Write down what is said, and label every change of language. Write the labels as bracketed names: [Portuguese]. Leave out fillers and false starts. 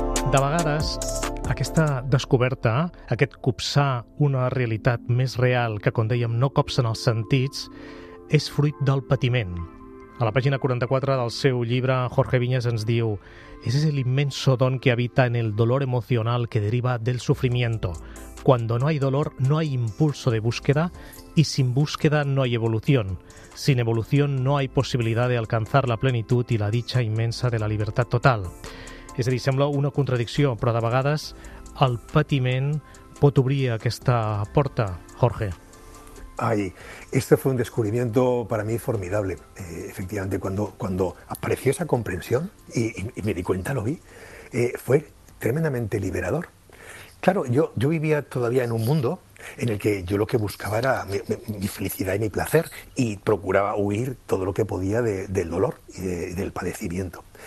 [Catalan] De vegades, aquesta descoberta, aquest copsar una realitat més real que, com dèiem, no copsen els sentits, és fruit del patiment. A la pàgina 44 del seu llibre, Jorge Viñas ens diu: [Spanish] «Ese es el inmenso don que habita en el dolor emocional que deriva del sufrimiento. Cuando no hay dolor, no hay impulso de búsqueda, y sin búsqueda no hay evolución. Sin evolución no hay posibilidad de alcanzar la plenitud y la dicha inmensa de la libertad total». [Catalan] És a dir, sembla una contradicció, però de vegades el patiment pot obrir aquesta porta, Jorge. [Spanish] Ay, este fue un descubrimiento para mí formidable. Efectivamente, cuando apareció esa comprensión y me di cuenta, lo vi, fue tremendamente liberador. Claro, yo vivía todavía en un mundo en el que yo lo que buscaba era mi felicidad y mi placer y procuraba huir todo lo que podía del dolor y del padecimiento.